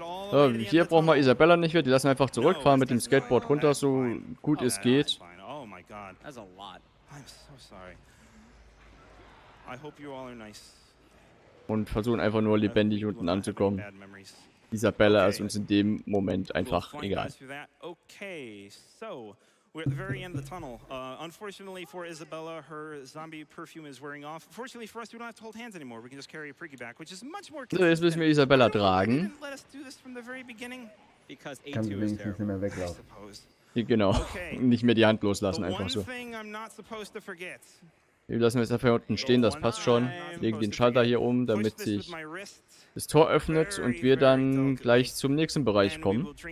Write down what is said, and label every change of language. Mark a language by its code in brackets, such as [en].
[de] So, hier brauchen wir Isabella nicht mehr. Die lassen wir einfach zurückfahren mit dem Skateboard runter, so gut es geht. [en] Oh my god. That's a lot. I'm so sorry. I hope you all are nice. [de] Und versuchen einfach nur lebendig unten anzukommen. Isabella ist uns in dem Moment einfach egal. [en] Okay, so. We're at the very end of the tunnel. Unfortunately for Isabella, her zombie perfume is wearing off. Fortunately for us, we don't have to hold hands anymore. We can just carry a piggy back, which is much more convenient. [de] So, jetzt müssen wir Isabella tragen. [en] Let us do this from the very beginning. Because A2 is terrible. [de] Kann sie wenigstens nicht mehr weglaufen. Genau. Okay. Nicht mehr die Hand loslassen, einfach so. [en] The one thing I'm not supposed to forget. [de] Wir lassen es einfach unten stehen, das passt schon. Legen den Schalter hier um, damit sich das Tor öffnet und wir dann gleich zum nächsten Bereich kommen.